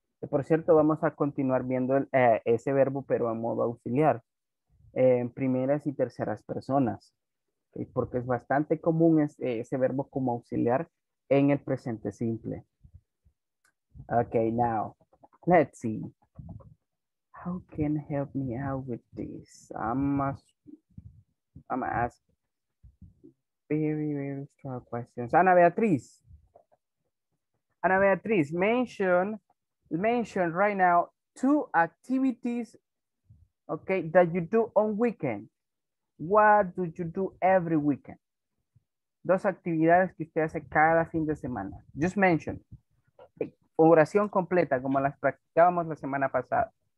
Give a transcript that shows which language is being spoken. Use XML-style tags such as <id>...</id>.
<es>Por cierto, vamos a continuar viendo ese verbo, pero a modo auxiliar, en primeras y terceras personas. Okay, porque es bastante común ese verbo como auxiliar en el presente simple.</es> <en>Okay, now, let's see. How can you help me out with this? I'm gonna ask very, very strong questions. Ana Beatriz. Ana Beatriz, mention right now two activities, okay, that you do on weekend. What do you do every weekend?</en> <es>Dos actividades que usted hace cada fin de semana. Just mention. Oración completa, como las practicábamos la semana pasada.</es>